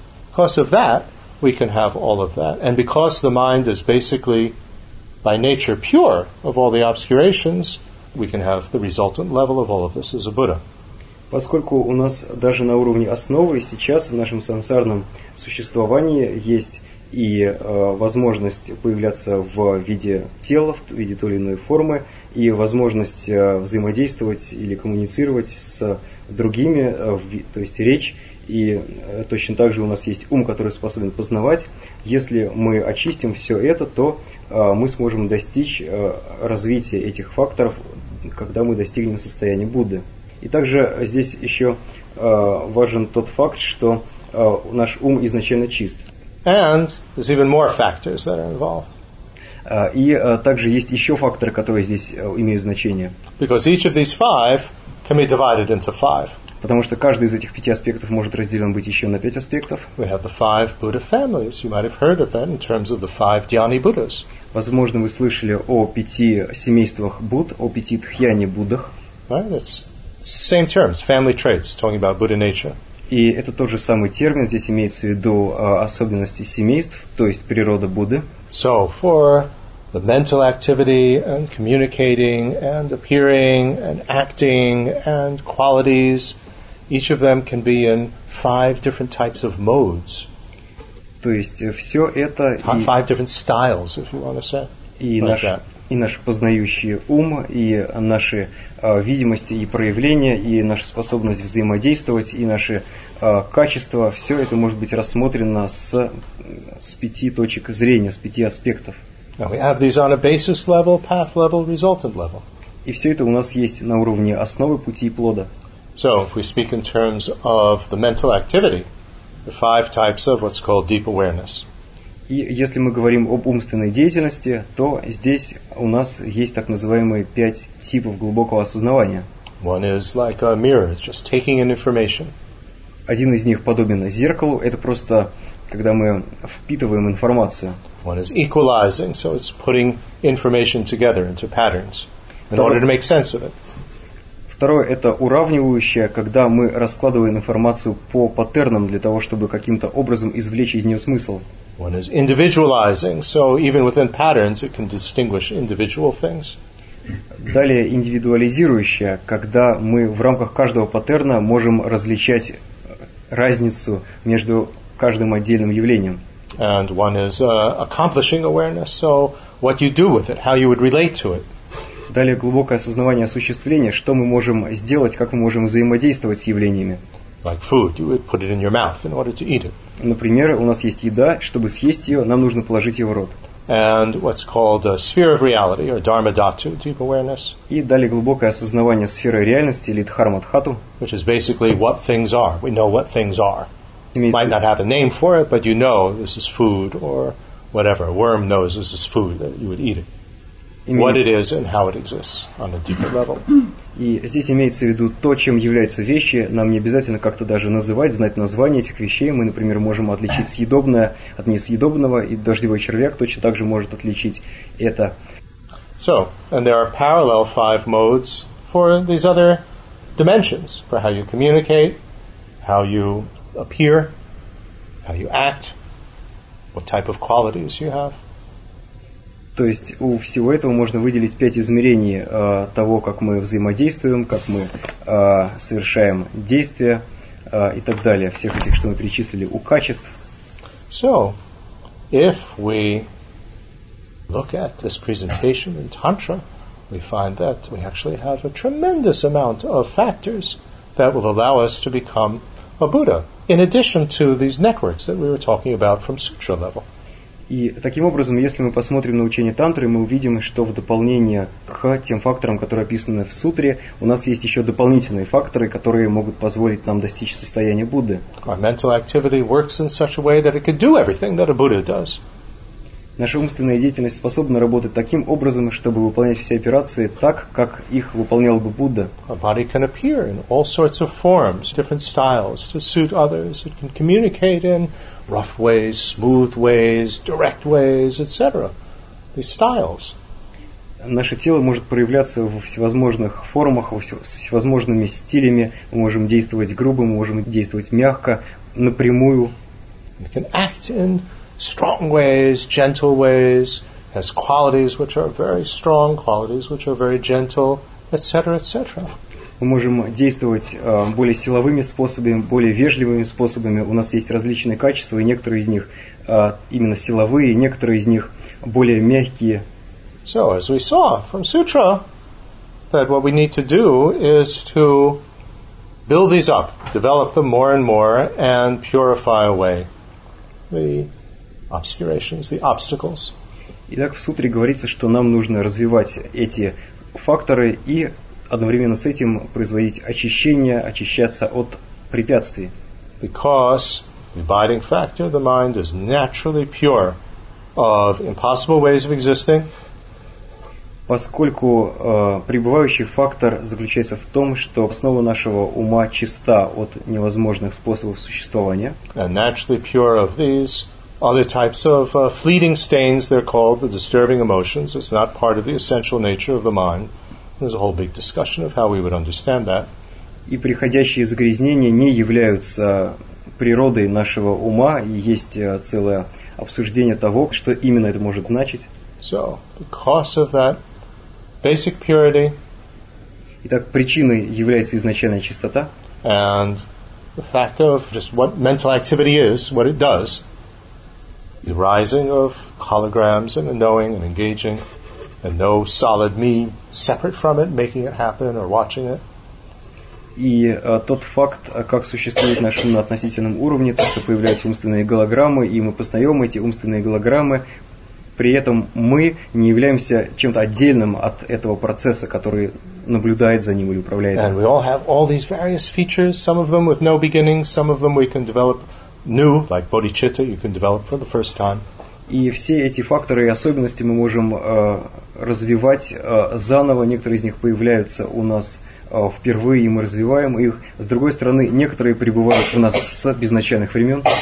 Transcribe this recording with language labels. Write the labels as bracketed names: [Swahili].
[English] Because of that, we can have all of that. And because the mind is basically, by nature, pure of all the obscurations, we can have the resultant level of all of this as a Buddha. [Russian] Поскольку у нас даже на уровне основы сейчас в нашем сансарном существовании есть и возможность появляться в виде тела, в виде той или иной формы, и возможность взаимодействовать или коммуницировать с другими, то есть речь, и точно так же у нас есть ум, который способен познавать. Если мы очистим все это, то мы сможем достичь развития этих факторов, когда мы достигнем состояния Будды. И также здесь еще важен тот факт, что наш ум изначально чист. [English] And there's even more factors that are involved. [Russian] Также есть еще факторы, которые здесь имеют значение. [English] Because each of these five can be divided into five. [Russian] Потому что каждый из этих пяти аспектов может разделен быть еще на пять аспектов. [English] We have the five Buddha families. You might have heard of that in terms of the five Dhyani Buddhas. [Russian] Возможно, вы слышали о пяти семействах Будд, о пяти Дхьяни Буддах. [English] Right, that's the same terms, family traits, talking about Buddha nature. [Russian] И это тот же самый термин, здесь имеется в виду особенности семейств, то есть природа Будды. [English] So, for the mental activity and communicating and appearing and acting and qualities, each of them can be in five different types of modes. [Russian] То есть все это... [English] Five different styles, if you want to say. [Russian] И наш познающий ум, и наши видимости и проявления, и наша способность взаимодействовать, и наши качества, все это может быть рассмотрено с пяти точек зрения, с пяти аспектов. [English] Now we have these on a basis level, path level, resultant level. [Russian] И все это у нас есть на уровне основы пути и плода. [English] So, if we speak in terms of the mental activity, the five types of what's called deep awareness. [Russian] И если мы говорим об умственной деятельности, то здесь у нас есть так называемые пять типов глубокого осознавания. [English] One is like a mirror, just taking in information. [Russian] Один из них подобен зеркалу, это просто когда мы впитываем информацию. [English] One is equalizing, so it's putting information together into patterns in order to make sense of it. [Russian] Второе – это уравнивающее, когда мы раскладываем информацию по паттернам для того, чтобы каким-то образом извлечь из нее смысл. [English] One is individualizing, so even within patterns it can distinguish individual things. [Russian] Далее индивидуализирующая, когда мы в рамках каждого паттерна можем различать разницу между каждым отдельным явлением. [English] And one is accomplishing awareness, so what you do with it, how you would relate to it. [Russian] Далее глубокое осознавание осуществления, что мы можем сделать, как мы можем взаимодействовать с явлениями. [English] Like food, you would put it in your mouth in order to eat it. [Russian] Например, у нас есть еда, чтобы съесть ее, нам нужно положить ее в рот. [English] And what's called a sphere of reality or dharma dhatu, deep awareness. [Russian] И далее глубокое осознавание сферы реальности или дхарма дхату. [English] Which is basically what things are. We know what things are. Might not have a name for it, but you know this is food or whatever. A worm knows this is food that you would eat it. What it is and how it exists on a deeper level. [Russian] И здесь имеется в виду то, чем являются вещи. Нам не обязательно как-то даже называть, знать название этих вещей. Мы, например, можем отличить съедобное от несъедобного, и дождевой червяк точно так же может отличить это. [English] So, and there are parallel five modes for these other dimensions, for how you communicate, how you appear, how you act, what type of qualities you have. [Russian] То есть у всего этого можно выделить пять измерений того, как мы взаимодействуем, как мы совершаем действия и так далее, всех этих, что мы перечислили, у качеств. [English] So, if we look at this presentation in Tantra, we find that we actually have a tremendous amount of factors that will allow us to become a Buddha, in addition to these networks that we were talking about from sutra level. [Russian] И таким образом, если мы посмотрим на учение тантры, мы увидим, что в дополнение к тем факторам, которые описаны в сутре, у нас есть еще дополнительные факторы, которые могут позволить нам достичь состояния Будды. [English] Our mental activity works in such a way that it could do everything that a Buddha does. [Russian] Наша умственная деятельность способна работать таким образом, чтобы выполнять все операции так, как их выполнял бы Будда. [English] Our body can appear in all sorts of forms, different styles, to suit others. It can communicate in rough ways, smooth ways, direct ways, etc. These styles. [Russian] Наше тело может проявляться во всевозможных формах, во всевозможными стилями. Мы можем действовать грубо, мы можем действовать мягко, напрямую. [English] We can act in strong ways, gentle ways, has qualities which are very strong, qualities which are very gentle, etc., etc. [Russian] Мы можем действовать более силовыми способами, более вежливыми способами. У нас есть различные качества, и некоторые из них именно силовые, некоторые из них более мягкие. [English] So, as we saw from Sutra, that what we need to do is to build these up, develop them more and more, and purify away the obscurations, the obstacles. [Russian] Итак, в сутре говорится, что нам нужно развивать эти факторы и одновременно с этим производить очищение, очищаться от препятствий. [English] Because the abiding factor, the mind, is naturally pure of impossible ways of existing. [Russian] Поскольку пребывающий фактор заключается в том, что основа нашего ума чиста от невозможных способов существования. [English] And naturally pure of these other types of fleeting stains, they're called the disturbing emotions. It's not part of the essential nature of the mind. There's a whole big discussion of how we would understand that. [Russian] И приходящие загрязнения не являются природой нашего ума, и есть целое обсуждение того, что именно это может значить. [English] So, because of that basic purity. [Russian] Итак, причиной является изначальная чистота. [English] And the fact of just what mental activity is, what it does. The rising of holograms and the knowing and engaging, and no solid me separate from it, making it happen or watching it. [Russian] И тот факт, как существует наш ум на относительном уровне, то, что появляются умственные голограммы, и мы познаем эти умственные голограммы, при этом мы не являемся чем-то отдельным от этого процесса, который наблюдает за ним или управляет. [English] And we all have all these various features, some of them with no beginning, some of them we can develop new, like bodhicitta, you can develop for the first time. [Russian] И все эти факторы и особенности мы можем развивать заново. Некоторые из них появляются у нас впервые, и мы развиваем их. С другой стороны, некоторые пребывают у нас с безначальных времен.